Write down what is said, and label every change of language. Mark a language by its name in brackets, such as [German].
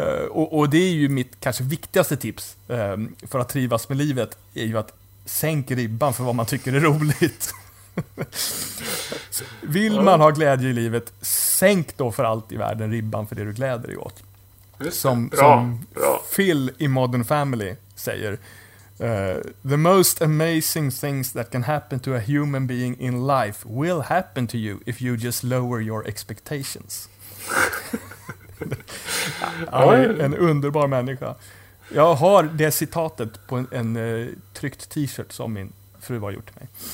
[Swedish] Och det är ju mitt kanske viktigaste tips för att trivas med livet, är ju att sänka ribban för vad man tycker är roligt. Vill man ha glädje i livet, sänk då för allt i världen ribban för det du gläder dig åt. Som [English] Phil i Modern Family [Swedish] säger: [English] the most amazing things that can happen to a human being in life will happen to you if you just lower your expectations. [Swedish] Ja, en underbar människa. Jag har det citatet på en tryckt t-shirt som min fru har gjort till mig.